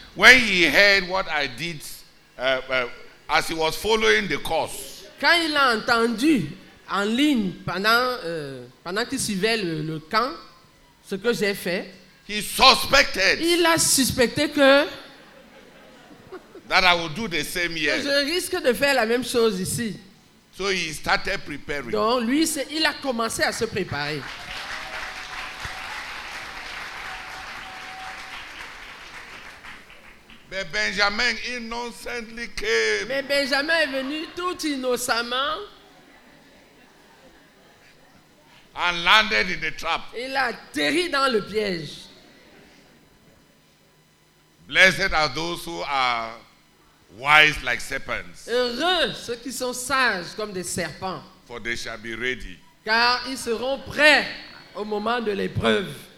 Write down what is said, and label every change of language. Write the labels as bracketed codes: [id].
[en] When he heard what I did, as he was following the course. [fr] Quand il a entendu en ligne pendant qu'il suivait le camp, ce que j'ai fait. [en] He suspected. [fr] Il a suspecté que. [en] That I will do the same here. [fr] Je risque de faire la même chose ici. [en] So he started preparing. [fr] Donc lui, il a commencé à se préparer. [en] Mais Benjamin innocently came. [fr] Mais Benjamin est venu tout innocemment. [en] And landed in the trap. [fr] Il a atterri dans le piège. [en] Blessed are those who are wise like serpents. [fr] Heureux ceux qui sont sages comme des serpents. [en] For they shall be ready. [fr] Car ils seront prêts au moment de l'épreuve.